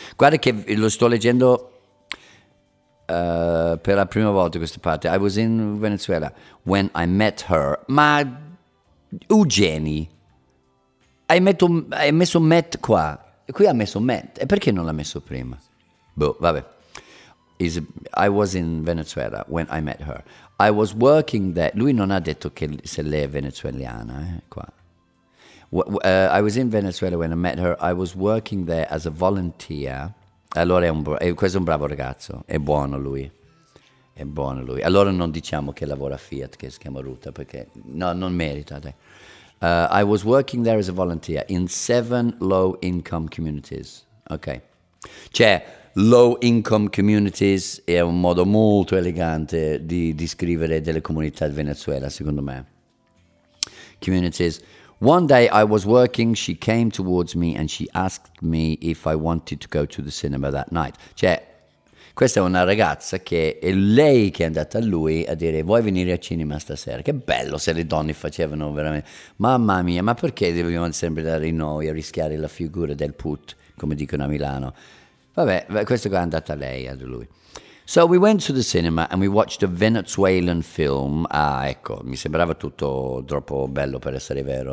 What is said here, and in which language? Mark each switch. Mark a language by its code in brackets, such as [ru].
[it] Guarda che lo sto leggendo per la prima volta questa parte. [en] I was in Venezuela when I met her. [it] Ma Eugeni, hai messo met qua. Qui ha messo met. E perché non l'ha messo prima? Boh, vabbè. [en] I was in Venezuela when I met her. I was working there. [it] Lui non ha detto che se lei è venezuelana, qua. [en] I was in Venezuela when I met her. I was working there as a volunteer. [it] Allora questo è un bravo ragazzo. È buono lui. Allora non diciamo che lavora Fiat, che si chiama Ruta, perché no, non merita. [en] I was working there as a volunteer in 7 low-income communities. Ok. [it] Cioè, low-income communities è un modo molto elegante di descrivere delle comunità del Venezuela, secondo me. [en] Communities. One day I was working, she came towards me and she asked me if I wanted to go to the cinema that night. [it] Cioè, questa è una ragazza che è lei che è andata a lui a dire vuoi venire al cinema stasera? Che bello se le donne facevano veramente. Mamma mia, ma perché dobbiamo sempre andare noi a rischiare la figura del put, come dicono a Milano? Vabbè, questo qua è andata lei, a lui. [en] So we went to the cinema and we watched a Venezuelan film. [it] Ah, ecco, mi sembrava tutto troppo bello per essere vero.